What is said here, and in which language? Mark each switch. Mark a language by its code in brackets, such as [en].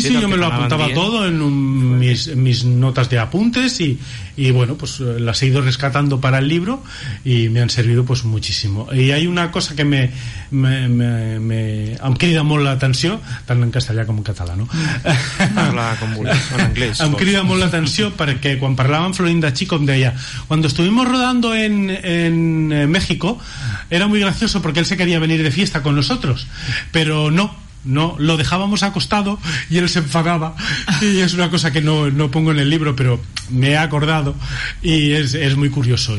[es] Sí, sí, yo me lo apuntaba todo en mis notas de apuntes, y bueno, pues las he ido rescatando para el libro y me han servido pues muchísimo. Y hay una cosa que me [ca] em crida molt l'atenció, tant en castellà com en català, no? Parla com vulguis, en anglès. Em crida molt l'atenció perquè quan parlava amb Florinda Chico em deia, [es] cuando estuvimos rodando en México, era muy gracioso porque él se quería venir de fiesta con nosotros, pero no, lo dejábamos acostado y él se enfadaba, y es una cosa que no pongo en el libro, pero me he acordado, y es muy curioso.